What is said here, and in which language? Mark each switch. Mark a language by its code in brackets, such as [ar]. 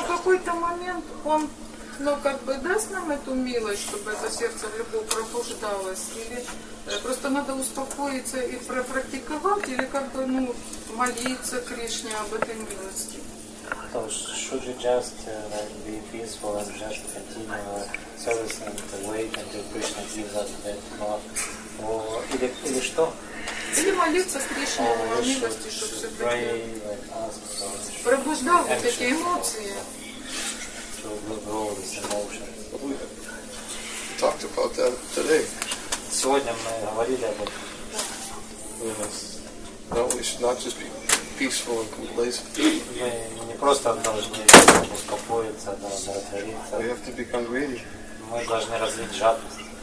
[ru] в какой-то момент он, ну, как бы даст нам эту милость, чтобы это сердце в любовь пробуждалось, или просто надо успокоиться и пропрактиковать, или как бы, ну, молиться Кришне об этой милости. [en] So should we just be peaceful and just continue service and wait until Krishna gives us that love? [ru] Или что? Или молиться с Кришной о милости, чтобы все-таки пробуждал вот эти эмоции. [en] So we'll grow this emotion. We talked about that today. [ru] Сегодня мы говорили об этом. [en] No, we should not just be peaceful and complacent. [ru] Мы не просто должны успокоиться, да, удовлетвориться. [en] We have to become greedy. [ru] Мы должны развить жадность.